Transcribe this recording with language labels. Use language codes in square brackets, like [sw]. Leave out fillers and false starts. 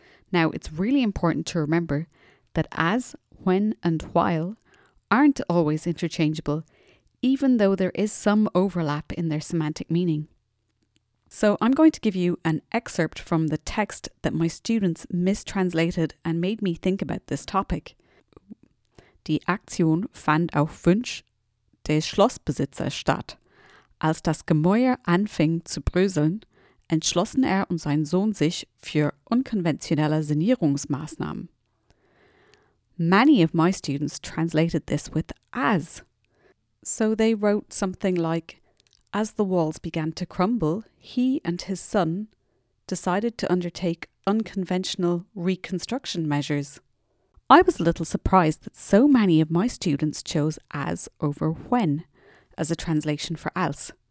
[en] Now, it's really important to remember that as, when, and while aren't always interchangeable, even though there is some overlap in their semantic meaning. So I'm going to give you an excerpt from the text that my students mistranslated and made me think about this topic. [de] Die Aktion fand auf Wunsch des Schlossbesitzers statt. Als das Gemäuer anfing zu bröseln, entschlossen er und sein Sohn sich für unkonventionelle Sanierungsmaßnahmen. [en] Many of my students translated this with as. So they wrote something like, as the walls began to crumble, he and his son decided to undertake unconventional reconstruction measures. I was a little surprised that so many of my students chose as over when as a translation for else.